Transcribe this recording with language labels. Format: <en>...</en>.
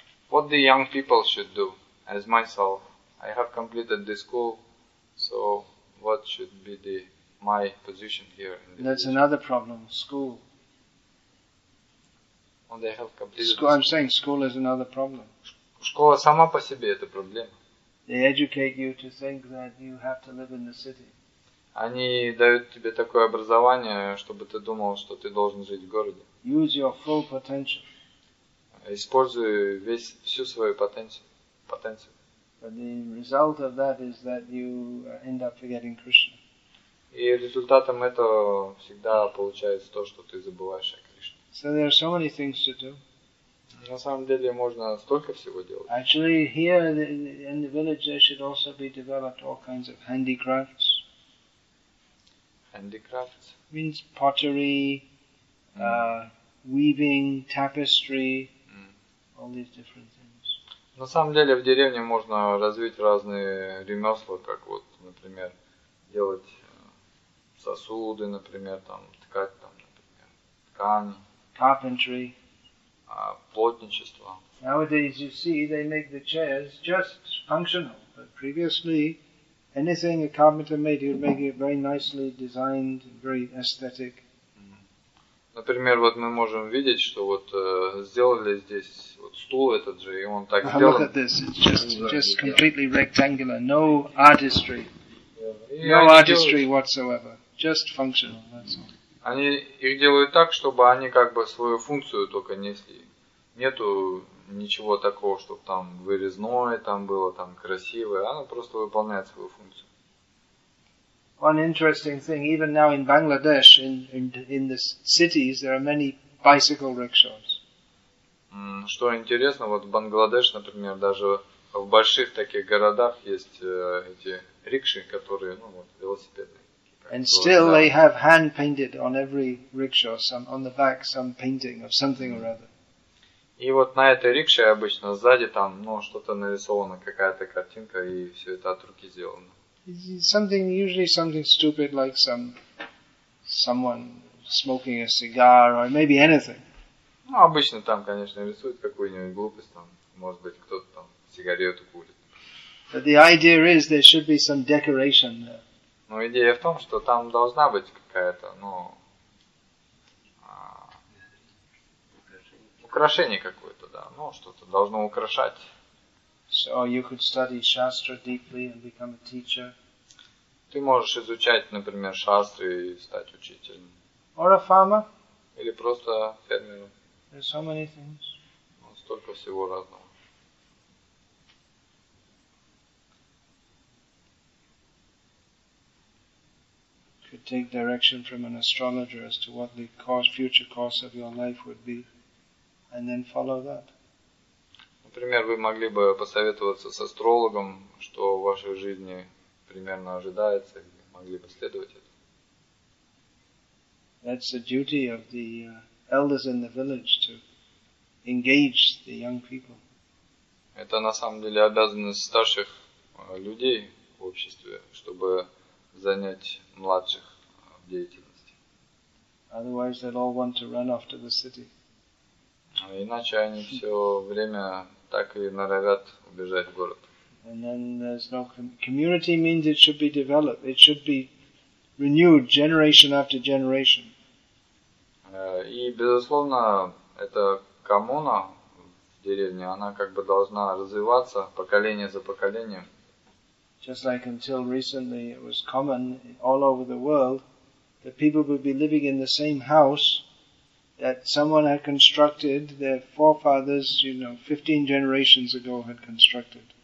<en>What the young people should do, as myself, I have completed the school, so what should be the my position here? In That's position? Another problem, school. Well, they have completed school, school. I'm saying school is another problem.</en> <ru>Школа сама по себе это проблема.</ru> <en>They educate you to think that you have to live in the city.</en> <ru>Они дают тебе такое образование, чтобы ты думал, что ты должен жить в городе.</ru> <en>Use your full potential.</en> <ru>Используй всю свою потенцию.</ru> <en>But the result of that is that you end up forgetting Krishna.</en> <ru>И результатом этого всегда получается то, что ты забываешь о Кришне.</ru> <en>So there are so many things to do.</en> <ru>На самом деле можно столько всего делать.</ru> <en>Actually, here in the village there should also be developed all kinds of handicrafts. Handicrafts? Means pottery, weaving, tapestry. All these different things.</en> <ru>На самом деле в деревне можно развить разные ремесла, как вот, например, делать сосуды, например, там ткать там, например, ткани.</ru> <en>Carpentry.</en> <ru>Плотничество.</ru> <en>Nowadays you see they make the chairs just functional, but previously anything a carpenter made, he would make it very nicely designed, very aesthetic.</en> <ru>Например, вот мы можем видеть, что вот сделали здесь вот стул этот же, и он так сделан.</ru> <en>Look at this, it's just completely rectangular, no artistry, no artistry whatsoever, just functional, that's all.</en> <ru>Они их делают так, чтобы они как бы свою функцию только несли. Нету ничего такого, чтобы там вырезное там было, там красивое, оно просто выполняет свою функцию.</ru> <en>One interesting thing, even now in Bangladesh, in the cities, there are many bicycle rickshaws.</en> <ru>Что интересно, вот в Бангладеш, например, даже в больших таких городах есть эти рикши, которые, ну вот, велосипедные.</ru> <en>And still they have hand painted on every rickshaw, some on the back, some painting of something or other.</en> <ru>И вот на этой рикше обычно сзади там, ну, что-то нарисовано, какая-то картинка, и все это от руки сделано.</ru> <en>Something usually something stupid like someone smoking a cigar or maybe anything.</en> <ru>Ну обычно там, конечно, рисуют какую-нибудь глупость там, может быть, кто-то там сигарету курит.</ru> <en>But the idea is there should be some decoration there.</en> <ru>Ну идея в том, что там должна быть какая-то, ну украшение какое-то, да, ну что-то должно украшать.</ru> <en>So you could study shastra deeply and become a teacher.</en> <ru>Ты можешь изучать, например, шастры и стать учителем.</ru> <en>Or a farmer.</en> <ru>Или просто фермером.</ru> <en>There's so many things.</en> <ru>Столько всего разного.</ru> <en>Could take direction from an astrologer as to what the course, future course of your life would be, and then follow that.</en> <ru>Например, вы могли бы посоветоваться с астрологом, что в вашей жизни примерно ожидается, и могли бы следовать этому.</ru> <en>That's the duty of the elders in the village to engage the young people.</en> <ru>Это на самом деле обязанность старших людей в обществе, чтобы занять младших в деятельности.</ru> <en>Otherwise, they'd all want to run off to the city.</en> <ru>Иначе они все время так и норовят убежать в город.</ru> <en>And then there's no community means it should be developed. It should be renewed generation after generation.</en> <ru>И безусловно, эта коммуна в деревне, она как бы должна развиваться поколение за поколением.</ru> <en>Just like until recently it was common all over the world that people would be living in the same house that someone had constructed, their forefathers, you know, 15 generations ago had constructed.</en>